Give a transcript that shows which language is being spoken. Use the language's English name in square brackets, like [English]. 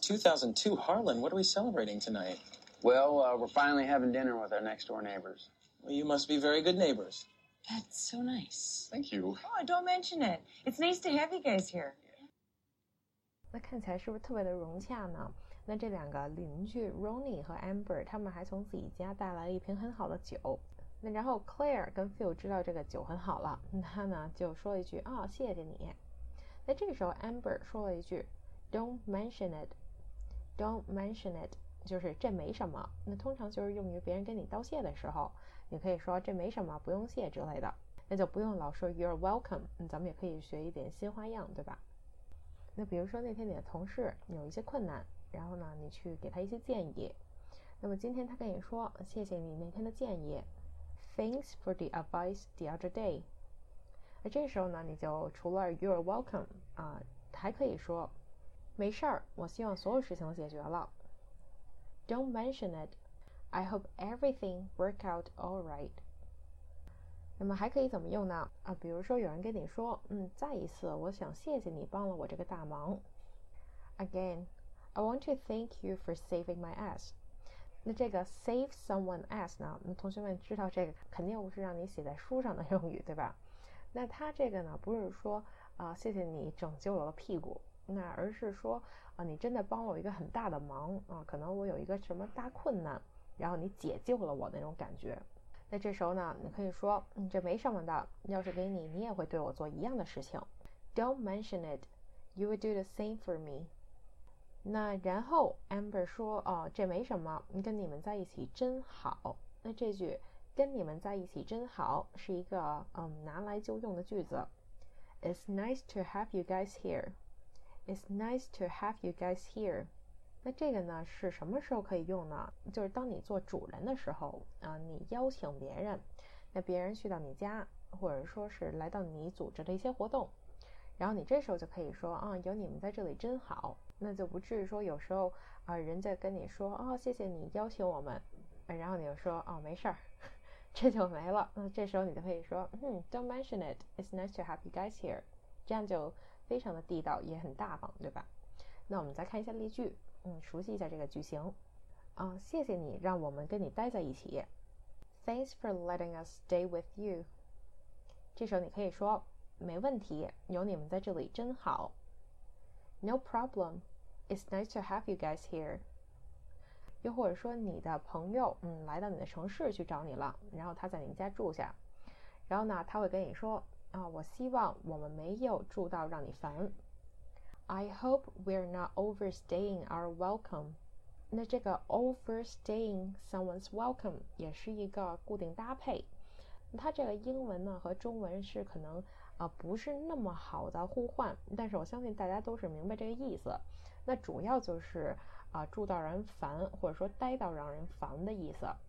[English] 2002 Harlan, what are we celebrating tonight? Well, we're finally having dinner with our next door neighbors. Well, you must be very good neighbors. That's so nice. Thank you. Oh, don't mention it. It's nice to have you guys here. [Chinese] 那看起来是不是特别的融洽呢？那这两个邻居 Ronnie 和 Amber，他们还从自己家带来了一瓶很好的酒。那然后 Claire 跟 Phil 知道这个酒很好了，他呢就说一句：“哦，谢谢你。” 那这时候 Amber 说了一句： [English] “Don't mention it, don't mention it。” [Chinese] 就是这没什么，那通常就是用于别人跟你道谢的时候，你可以说这没什么，不用谢之类的，那就不用老说 [English] you're welcome。 [Chinese] 咱们也可以学一点新花样，对吧？那比如说那天你的同事有一些困难，然后呢你去给他一些建议。那么今天他跟你说谢谢你那天的建议， [English] Thanks for the advice the other day。 [Chinese] 那这时候呢你就除了 [English] you're welcome [Chinese] 还可以说没事儿，我希望所有事情都解决了。 [English] Don't mention it. I hope everything work out all right. [Chinese] 那么还可以怎么用呢？比如说有人跟你说，再一次，我想谢谢你帮了我这个大忙。 [English] Again, I want to thank you for saving my ass. [Chinese] 那这个 [English] save someone ass [Chinese] 呢？那同学们知道这个肯定不是让你写在书上的用语，对吧？那他这个呢，不是说谢谢你拯救了屁股。那而是说，你真的帮了我一个很大的忙啊，可能我有一个什么大困难，然后你解救了我那种感觉。那这时候呢，你可以说，这没什么的，要是给你，你也会对我做一样的事情。 [English] Don't mention it, you would do the same for me. [Chinese] 那然后 Amber 说，这没什么，跟你们在一起真好。那这句跟你们在一起真好是一个拿来就用的句子。 [English] It's nice to have you guys here. It's nice to have you guys here. [Chinese] 那这个呢是什么时候可以用呢？就是当你做主人的时候啊，你邀请别人，那别人去到你家，或者说是来到你组织的一些活动，然后你这时候就可以说啊，有你们在这里真好，那就不至于说有时候啊，人家跟你说啊，谢谢你邀请我们，然后你就说哦，没事儿，这就没了。 [English] 那这时候你就可以说，Don't mention it. It's nice to have you guys here. [Chinese] 这样就。非常的地道，也很大方，对吧？那我们再看一下例句，熟悉一下这个句型。谢谢你让我们跟你待在一起。 [English] Thanks for letting us stay with you. [Chinese] 这时候你可以说，没问题，有你们在这里真好。 [English] No problem. It's nice to have you guys here. [Chinese] 又或者说你的朋友，来到你的城市去找你了，然后他在你们家住下，然后呢，他会跟你说，我希望我们没有住到让你烦。 [English] I hope we're not overstaying our welcome. [Chinese] 那这个 [English] overstaying someone's welcome [Chinese] 也是一个固定搭配。它这个英文呢和中文是可能不是那么好的互换，但是我相信大家都是明白这个意思。那主要就是住到让人烦，或者说待到让人烦的意思。